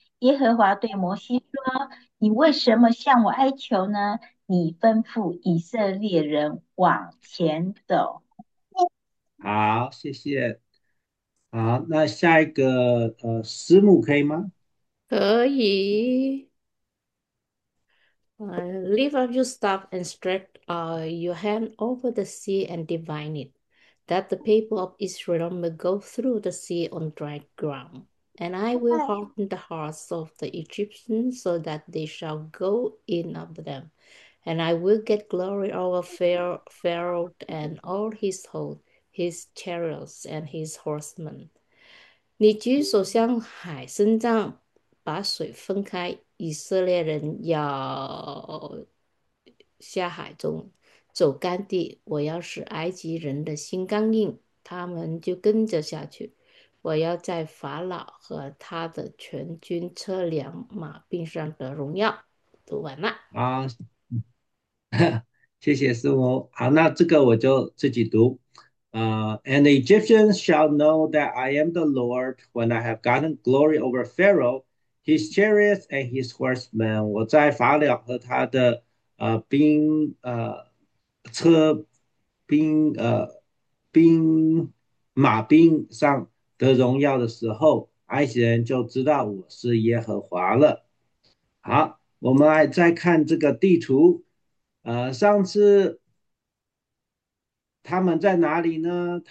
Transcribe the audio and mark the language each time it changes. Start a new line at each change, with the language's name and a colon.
Chinese: 耶和华对摩西说：“你为什么向我哀求呢？你吩咐以色列人往前走。” 好，谢谢。好，那下一个师母可以吗？可以。
English: Lift up your staff and stretch your hand over the sea and divide it, that the people of Israel may go through the sea on dry ground. And I will harden the hearts of the Egyptians so that they shall go in of them. And I will get glory over Pharaoh and all his host, his chariots and his horsemen.
Chinese: 你举手向海伸张。把水分开，以色列人要下海中走干地。我要使埃及人的心刚硬，他们就跟着下去。我要在法老和他的全军车辆马兵上得荣耀。读完了。好，谢谢师母。好，那这个我就自己读。
English: And the Egyptians shall know that I am the Lord when I have gotten glory over Pharaoh, his chariots and his horsemen.
Chinese: 我在法老和他的马兵上得荣耀的时候，埃及人就知道我是耶和华了。好，我们来再看这个地图。上次他们在哪里呢？